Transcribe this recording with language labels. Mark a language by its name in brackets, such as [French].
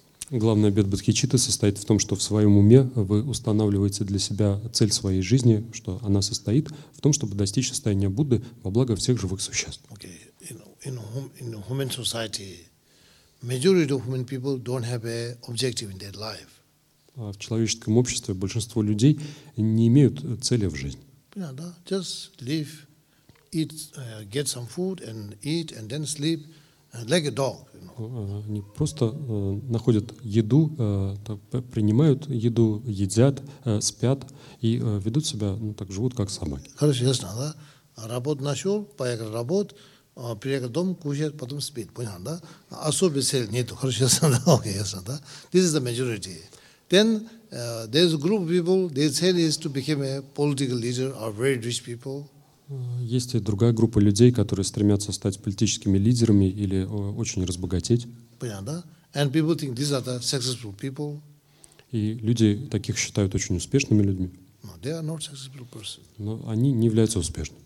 [Russian] Главный обет Бодхичитты состоит в том, что в своем уме вы устанавливаете для себя цель своей жизни, что она состоит в том, чтобы достичь состояния Будды во благо всех живых существ. [English] Okay. In human society, majority of human people don't have a objective in their life. [Russian] В человеческом обществе большинство людей не имеют цели в жизни. [English] Yeah, [Russian] да. [English] Just live, eat, get some food and eat and then sleep. Like a dog, you know. [Russian] Они просто находят еду, принимают еду, едят, спят и ведут себя, ну, так живут, как собаки. Хорошо, ясно, да? Работ нашел, поехал работать, приехал в дом, кушает, потом спит. Понятно, да? Особой цели нету. Хорошо, ясно, да? Окей, ясно, да? [English] This is the majority. Then there's a group of people, their cell is to become a political leader or very rich people. [Russian] Есть и другая группа людей, которые стремятся стать политическими лидерами или очень разбогатеть. Понятно, да? [English] And people think these are the successful people. [Russian] И люди таких считают очень успешными людьми. [English] No, they are not successful person. [Russian] Но они не являются успешными.